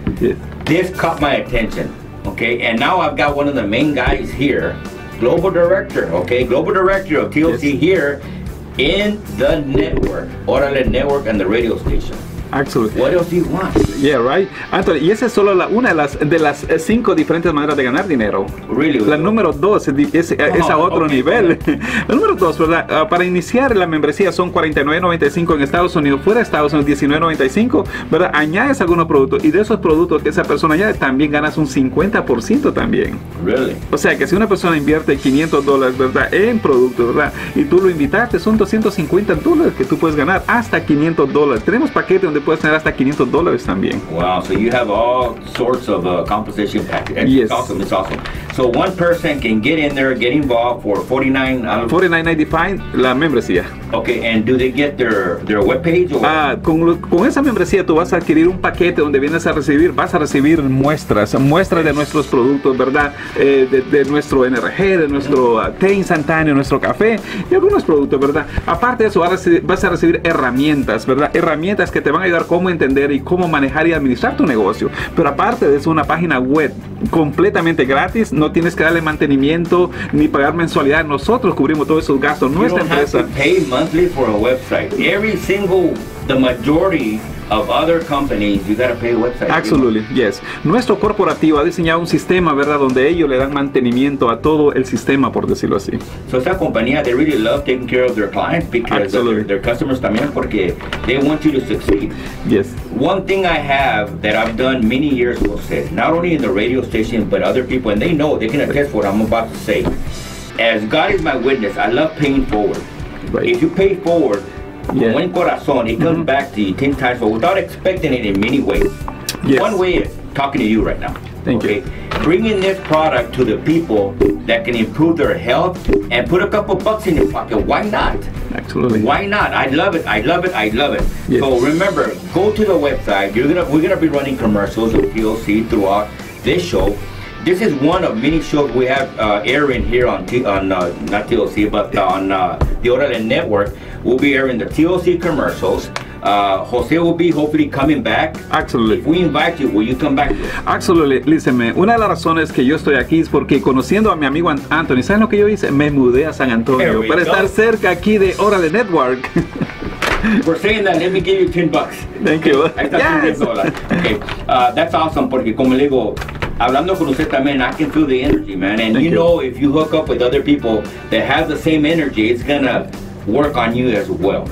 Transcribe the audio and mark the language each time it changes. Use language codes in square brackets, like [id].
[en] did. This caught my attention, okay? And now I've got one of the main guys here, global director, okay? Global director of TLC here in the network, Orale Network and the radio station. Absolutely. What else do you want? Yeah, right. [es] Anthony, y esa es solo la, una de las cinco diferentes maneras de ganar dinero. [en] Really? [es] La número dos es a otro nivel. Okay. La número dos, ¿verdad? Para iniciar la membresía son $49.95 en Estados Unidos. Fuera de Estados Unidos, $19.95, ¿verdad? Añades algunos productos y de esos productos que esa persona añade, también ganas un 50% también. Really? O sea, que si una persona invierte $500, ¿verdad? En productos, ¿verdad? Y tú lo invitaste, son $250 que tú puedes ganar hasta $500. Tenemos paquete donde puedes tener hasta $500 también. [en] Wow, so you have all sorts of compensation packages. Yes. It's awesome. So one person can get in there, get involved for $49.95 [es] la membresía. [en] Okay, and do they get their webpage or? [es] Con esa membresía tú vas a adquirir un paquete donde vienes a recibir, vas a recibir muestras de nuestros productos, ¿verdad? De nuestro NRG, de nuestro té instantáneo, nuestro café y algunos productos, ¿verdad? Aparte de eso, vas a recibir herramientas, ¿verdad? Herramientas que te van a ayudar cómo entender y cómo manejar y administrar tu negocio. Pero aparte de eso, una página web completamente gratis, no tienes que darle mantenimiento ni pagar mensualidad. Nosotros cubrimos todos esos gastos, nuestra empresa. [en] Monthly for a website. The majority of other companies, you gotta pay a website. Absolutely, you know? Yes. [es] Nuestro corporativo ha diseñado un sistema, ¿verdad? Donde ellos le dan mantenimiento a todo el sistema, por decirlo así. [en] So [es] esta compañía, [en] they really love taking care of their clients because their customers [es] también, porque [en] they want you to succeed. Yes. One thing I have that I've done many years ago, said, not only in the radio station, but other people, and they know, they can attest for what I'm about to say. As God is my witness, I love paying forward. Right. If you pay forward, yeah. [es] Buen corazón, [en] it comes back to you 10 times forward without expecting it in many ways. Yes. One way is talking to you right now. Thank you. Bringing this product to the people that can improve their health and put a couple bucks in your pocket. Why not? Absolutely. Why not? I love it. Yes. So remember, go to the website. We're gonna be running commercials with TLC throughout this show. This is one of many shows we have airing here on the Orale Network. We'll be airing the TLC commercials. Jose will be hopefully coming back. Absolutely. If we invite you, will you come back? Absolutely. Listen, man. [es] Una de las razones que yo estoy aquí es porque conociendo a mi amigo Anthony, ¿saben lo que yo hice? Me mudé a San Antonio para estar cerca aquí de Orale Network. [en] We're saying that, let me give you 10 bucks. Thank you. Okay. Yes. $10. Okay. That's awesome, [es] porque como le digo, hablando con usted también, [en] I can feel the energy, man. And you know, if you hook up with other people that have the same energy, it's gonna work on you as well.